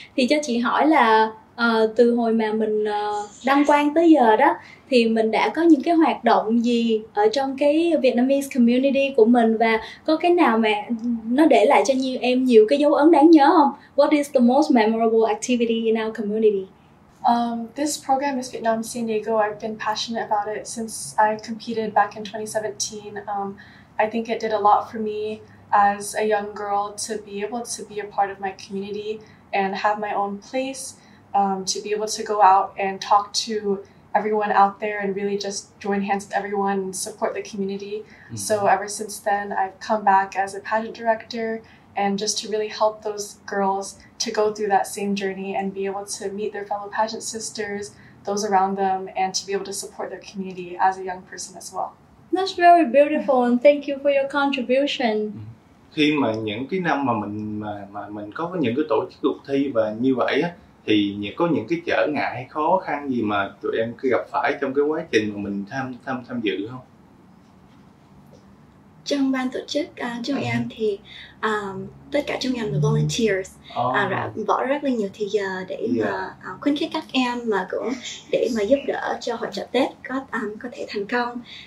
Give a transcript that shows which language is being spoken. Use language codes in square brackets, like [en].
[vi] Thì cho chị hỏi là từ hồi mà mình đăng quang tới giờ đó thì mình đã có những cái hoạt động gì ở trong cái [en] Vietnamese community [vi] của mình, và có cái nào mà nó để lại cho nhiều em nhiều cái dấu ấn đáng nhớ không? [en] What is the most memorable activity in our community? This program is Vietnam San Diego. I've been passionate about it since I competed back in 2017. I think it did a lot for me as a young girl to be able to be a part of my community and have my own place, to be able to go out and talk to everyone out there and really just join hands with everyone and support the community. So ever since then, I've come back as a pageant director and just to really help those girls to go through that same journey and be able to meet their fellow pageant sisters, those around them, and to be able to support their community as a young person as well. That's very beautiful, and thank you for your contribution. [vi] Khi mà những cái năm mà mình có những cái tổ chức cuộc thi và như vậy á, thì có những cái trở ngại hay khó khăn gì mà tụi em cứ gặp phải trong cái quá trình mà mình tham dự không? trong ban tổ chức chúng em thì tất cả chúng em là volunteers, đã bỏ rất là nhiều thời giờ để mà khuyến khích các em mà cũng để mà giúp đỡ cho hội chợ Tết có thể thành công.